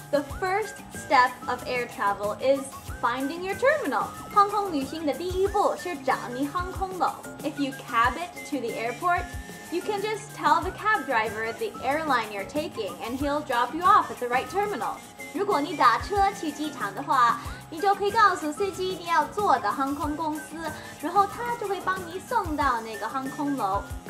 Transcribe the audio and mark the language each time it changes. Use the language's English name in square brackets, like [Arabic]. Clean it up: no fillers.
[English] The first step of air travel is finding your terminal. [Chinese] 航空旅行的第一步是找你航空楼。 [English] If you cab it to the airport, you can just tell the cab driver the airline you're taking and he'll drop you off at the right terminal. [Chinese] 如果你打车去机场的话，你就可以告诉司机你要坐的航空公司，然后他就会帮你送到那个航空楼。